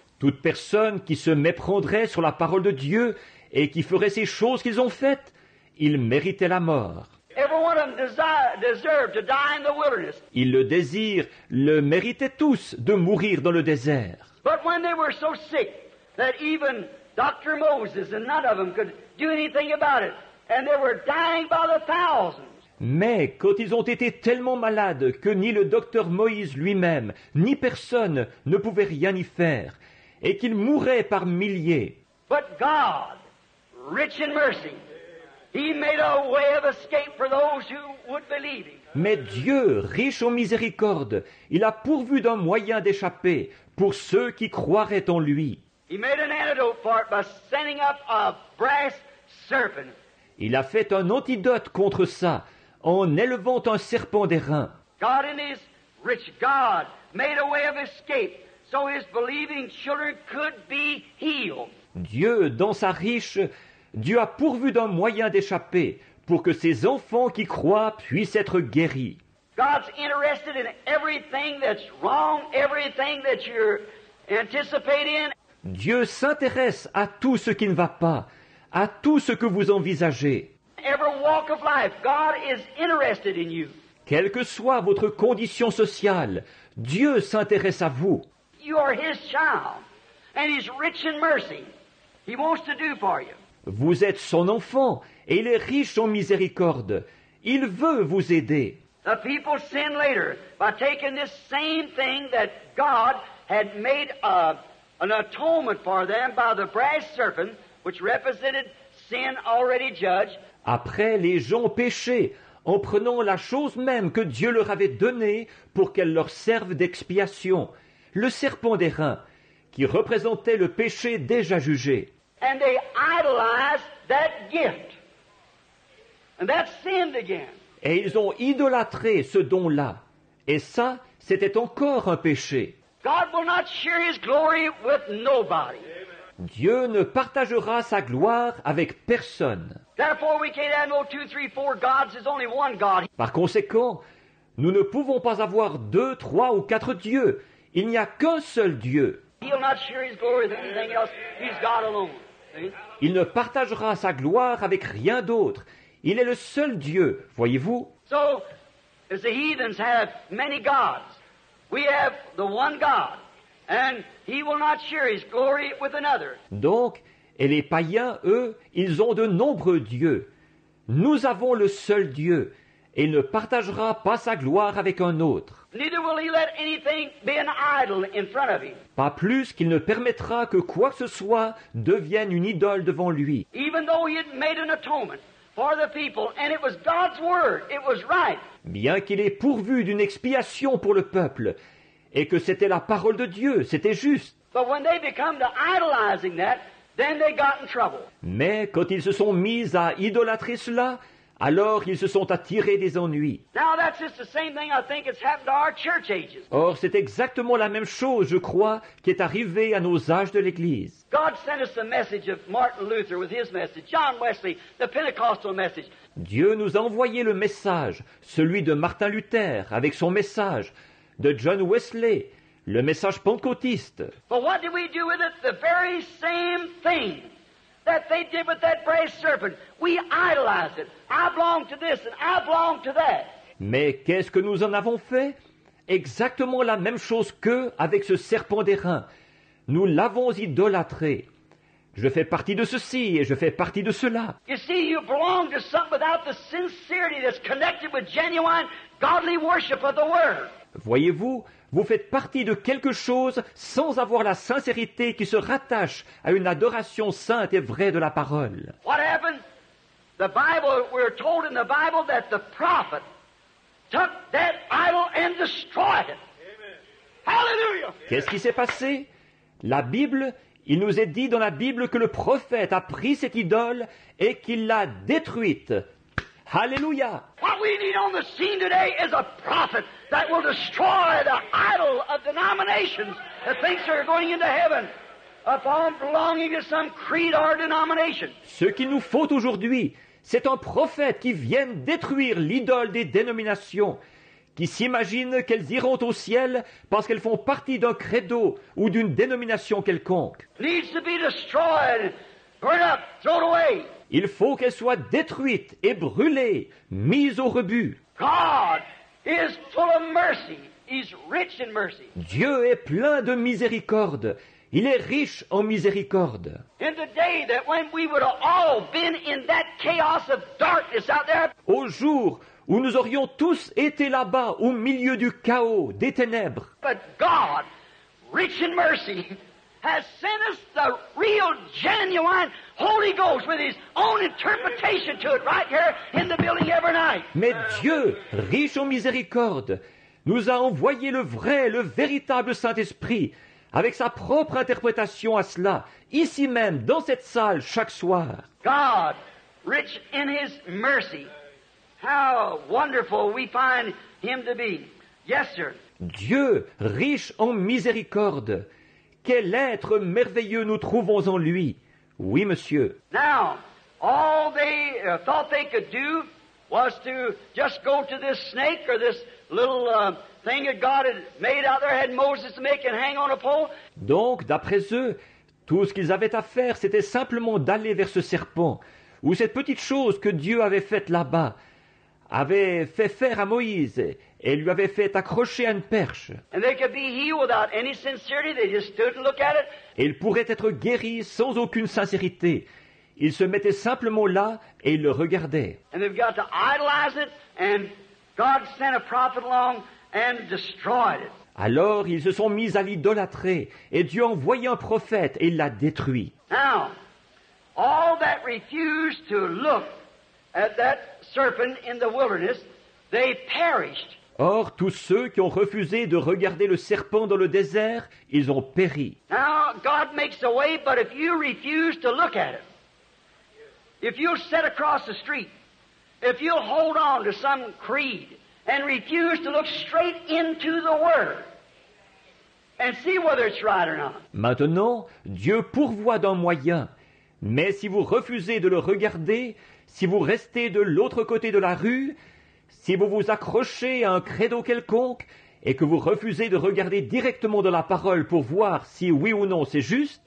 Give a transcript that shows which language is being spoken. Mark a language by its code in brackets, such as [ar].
[fr] Toute personne qui se méprendrait sur la parole de Dieu et qui ferait ces choses qu'ils ont faites, ils méritaient la mort. [en] Every one of them deserved to die in the wilderness. [fr] Ils le désirent, le méritaient tous de mourir dans le désert. [en] But when they were so sick that even Dr. Moses and none of them could do anything about it, and they were dying by the thousands. [fr] Mais quand ils ont été tellement malades que ni le docteur Moïse lui-même, ni personne ne pouvait rien y faire, et qu'ils mouraient par milliers. [en] But God, rich in mercy, he made a way of escape for those who would believe him. [fr] Mais Dieu, riche en miséricorde, il a pourvu d'un moyen d'échapper pour ceux qui croiraient en lui. [en] He made an antidote for it by sending up a brass serpent. [fr] Il a fait un antidote contre ça, en élevant un serpent d'airain. [en] God in his rich God made a way of escape so his believing children could be healed. [fr] Dieu, dans sa riche, Dieu a pourvu d'un moyen d'échapper pour que ses enfants qui croient puissent être guéris. [en] God's interested in everything that's wrong, everything that you're anticipating. [fr] Dieu s'intéresse à tout ce qui ne va pas, à tout ce que vous envisagez. [en] Every walk of life, God is interested in you. [fr] Quelle que soit votre condition sociale, Dieu s'intéresse à vous. [en] You are his child, and he's rich in mercy. He wants to do for you. [fr] Vous êtes son enfant, et il est riche en miséricorde. Il veut vous aider. [en] The people sinned later by taking this same thing that God had made an atonement for them by the brass serpent, which represented sin already judged. [fr] Après, les gens péchaient en prenant la chose même que Dieu leur avait donnée pour qu'elle leur serve d'expiation, le serpent d'airain, qui représentait le péché déjà jugé. [en] And they idolized that gift. And that sinned again. [fr] Et ils ont idolâtré ce don-là. Et ça, c'était encore un péché. [en] God will not share his glory with nobody. [fr] Dieu ne partagera sa gloire avec personne. [en] Therefore, we can't have no two, three, four gods. There's only one God. [fr] Par conséquent, nous ne pouvons pas avoir deux, trois ou quatre dieux. Il n'y a qu'un seul Dieu. [en] He'll not share his glory with anything else. He's God alone. [fr] Il ne partagera sa gloire avec rien d'autre. Il est le seul Dieu, voyez-vous. [en] So, as the heathens have many gods, we have the one God, and he will not share his glory with another. [fr] Donc, et les païens, eux, ils ont de nombreux dieux. Nous avons le seul Dieu, et il ne partagera pas sa gloire avec un autre. [en] Neither will he let anything be an idol in front of him. [fr] Pas plus qu'il ne permettra que quoi que ce soit devienne une idole devant lui. [en] Even though he had made an atonement for the people, and it was God's word, it was right. [fr] Bien qu'il ait pourvu d'une expiation pour le peuple, et que c'était la parole de Dieu, c'était juste. [en] But when they become to idolizing that, then they got in trouble. [fr] Mais quand ils se sont mis à idolâtrer cela, alors ils se sont attirés des ennuis. [en] Now that's just the same thing I think has happened to our church ages. [fr] Or, c'est exactement la même chose, je crois, qui est arrivée à nos âges de l'Église. [en] God sent us the message of Martin Luther with his message, John Wesley, the Pentecostal message. [fr] Dieu nous a envoyé le message, celui de Martin Luther avec son message, de John Wesley, le message pentecôtiste. [en] But what did we do with it? The very same thing that they did with that brazen serpent. We idolized it. I belong to this and I belong to that. [fr] Mais qu'est-ce que nous en avons fait? Exactement la même chose qu'eux avec ce serpent d'airain. Nous l'avons idolâtré. Je fais partie de ceci et je fais partie de cela. [en] You see, you belong to something without the sincerity that's connected with genuine godly worship of the word. [fr] Voyez-vous, vous faites partie de quelque chose sans avoir la sincérité qui se rattache à une adoration sainte et vraie de la parole. [en] What happened? The Bible, we're told in the Bible that the prophet took that idol and destroyed it. Hallelujah! [fr] Qu'est-ce qui s'est passé? La Bible, il nous est dit dans la Bible que le prophète a pris cette idole et qu'il l'a détruite. Hallelujah! [en] What we need on the scene today is a prophet that will destroy the idol of denominations that thinks they're going into heaven upon belonging to some creed or denomination. [fr] Ce qu'il nous faut aujourd'hui, c'est un prophète qui vienne détruire l'idole des dénominations, qui s'imagine qu'elles iront au ciel parce qu'elles font partie d'un credo ou d'une dénomination quelconque. [en] Needs to be destroyed, burned up, thrown away. [fr] Il faut qu'elle soit détruite et brûlée, mise au rebut. [en] God is full of mercy. He's rich in mercy. [fr] Dieu est plein de miséricorde. Il est riche en miséricorde. [en] In the day that when we would have all been in that chaos of darkness out there. [fr] Au jour où nous aurions tous été là-bas, au milieu du chaos, des ténèbres. [en] But God, rich in mercy, has sent us the real, genuine Holy Ghost with his own interpretation to it right here in the building every night. [fr] Mais Dieu, riche en miséricorde, nous a envoyé le vrai, le véritable Saint-Esprit avec sa propre interprétation à cela, ici même, dans cette salle, chaque soir. [en] God, rich in his mercy, how wonderful we find him to be. Yes, sir. [fr] Dieu, riche en miséricorde, quel être merveilleux nous trouvons en lui. Oui, monsieur. [en] Now, all they thought they could do was to just go to this snake or this little thing that God had made out there, had Moses to make and hang on a pole. [fr] Donc, d'après eux, tout ce qu'ils avaient à faire, c'était simplement d'aller vers ce serpent ou cette petite chose que Dieu avait faite là-bas, avait fait faire à Moïse et lui avait fait accrocher à une perche. [en] And they could be healed without any sincerity. They just stood and looked at it. [fr] Et il pourrait être guéri sans aucune sincérité. Il se mettait simplement là et il le regardait. [en] And they've got to idolize it, and God sent a prophet along and destroyed it. [fr] Alors ils se sont mis à l'idolâtrer et Dieu a envoyé un prophète et il l'a détruit. [en] Now, all that refused to look at that serpent in the wilderness, they perished. [fr] Or, tous ceux qui ont refusé de regarder le serpent dans le désert, ils ont péri. [en] Now, God makes a way, but if you refuse to look at it, if you'll sit across the street, if you'll hold on to some creed and refuse to look straight into the Word and see whether it's right or not. [fr] Maintenant, Dieu pourvoit d'un moyen, mais si vous refusez de le regarder, si vous restez de l'autre côté de la rue, si vous vous accrochez à un credo quelconque et que vous refusez de regarder directement dans la parole pour voir si oui ou non c'est juste,